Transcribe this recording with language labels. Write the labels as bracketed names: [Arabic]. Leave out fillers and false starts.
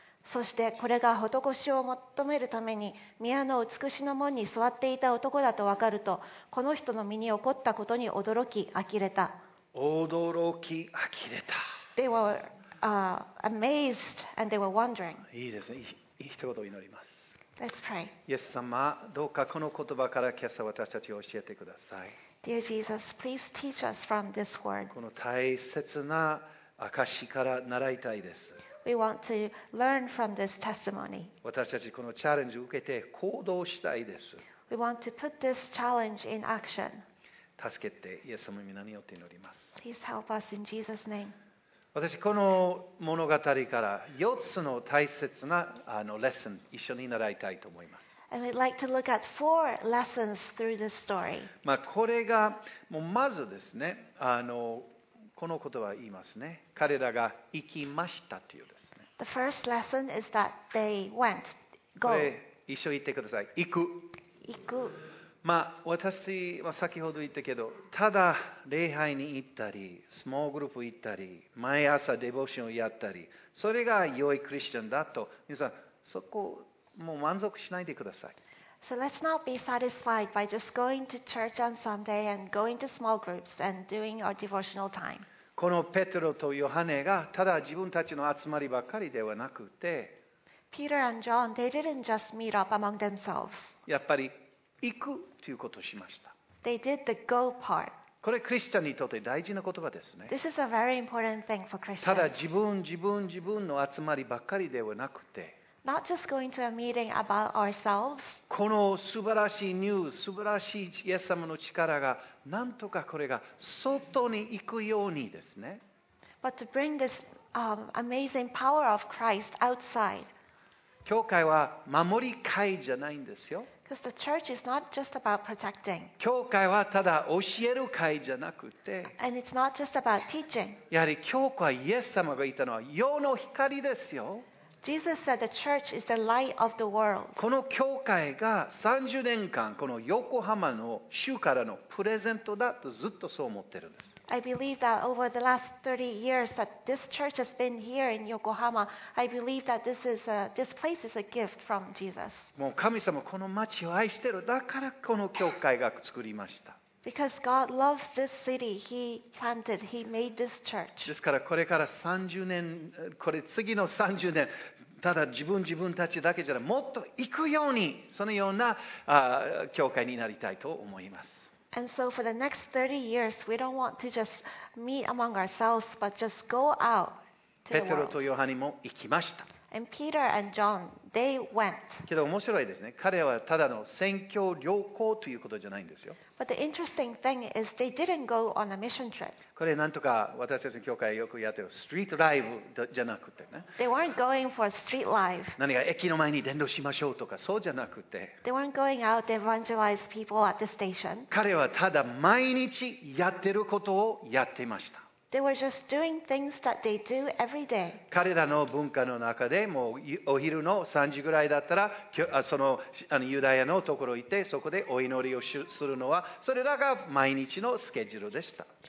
[Japanese] そしてこれが施しを求めるために宮の美しの門に座っていた男だと分かると、この人の身に起こったことに驚き呆れた。驚き呆れた。 [English] They were amazed and they were wondering. [Japanese] いいですね。一言祈ります。 [English] Let's pray. [Japanese] イエス様、どうかこの言葉から今朝私たちを教えてください。 [English] Dear Jesus, please teach us from this word. [Japanese] この大切な証から習いたいです。 [English] We want to learn from this testimony. [Japanese] 私たちこのチャレンジを受けて行動したいです。 [English] We want to put this challenge in action. [Japanese] 助けてイエス様の名によって祈ります。 [English] Please help us in Jesus' name. [Japanese] 私この物語から4つの大切なレッスン一緒に習いたいと思います。 [English] And we'd like to look at four lessons through this story. [Japanese] まあこれがもうまずですね、この言葉を言いますね。彼らが行きましたというですね。 [English] The first lesson is that they went. Go. [Japanese] これ一緒に言ってください。行く。行く。まあ、私は先ほど言ったけど、ただ礼拝に行ったり、スモールグループ行ったり、毎朝デボーションをやったり、それが良いクリスチャンだと、皆さん、そこをもう満足しないでください。 [English] So let's not be satisfied by just going to church on Sunday and going to small groups and doing our devotional time. [Japanese] このペテロとヨハネが、ただ自分たちの集まりばかりではなくて、 [English] Peter and John, they didn't just meet up among themselves. [Japanese] やっぱり行くということをしました。 [English] They did the go part. [Japanese] これクリスチャンにとって大事な言葉ですね。 [English] This is a very important thing for Christians. [Japanese] ただ自分の集まりばっかりではなくて、 [English] Not just going to a meeting about ourselves. [Japanese] この素晴らしいニュース、素晴らしいイエス様の力が、なんとかこれが外に行くようにですね。 [English] But to bring this amazing power of Christ outside. [Japanese] 教会は守り会じゃないんですよ。 [English] Because the church is not just about protecting. [Japanese] 教会はただ教える会じゃなくて、 [English] And it's not just about teaching. [Japanese] やはり教会はイエス様がいたのは世の光ですよ。 [English] Jesus said the church is the light of the world. [Japanese] この教会が30年間この横浜の州からのプレゼントだとずっとそう思ってるんです。 [English] I believe that over the last 30 years that this church has been here in Yokohama, I believe that this place is a gift from Jesus. [Japanese] もう神様この町を愛してる。だからこの教会が作りました。 [English] Because God loves this city, He planted, He made this church. [Japanese] ですからこれから30年、これ次の30年、ただ自分たちだけじゃなくもっと行くようにそのような教会になりたいと思います。 [English] And so for the next 30 years, we don't want to just meet among ourselves, but just go out to the world. [Japanese] ペテロとヨハネも行きました。 [English] And Peter and John, they went. [Japanese] けど面白いですね。彼はただの宣教旅行ということじゃないんですよ。 [English] But the interesting thing is they didn't go on a mission trip. [Japanese] これなんとか私たちの教会よくやってるストリートライブじゃなくてね。 [English] They weren't going for a street life. [Japanese] 何か駅の前に伝道しましょうとかそうじゃなくて。 [English] They weren't going out to evangelize people at the station. [Japanese] 彼はただ毎日やってることをやっていました。 [English] They were just doing things that they do every day. [Japanese] 彼らの文化の中でもうお昼の3時ぐらいだったらあのユダヤのところ行ってそこでお祈りをするのはそれらが毎日のスケジュールでした。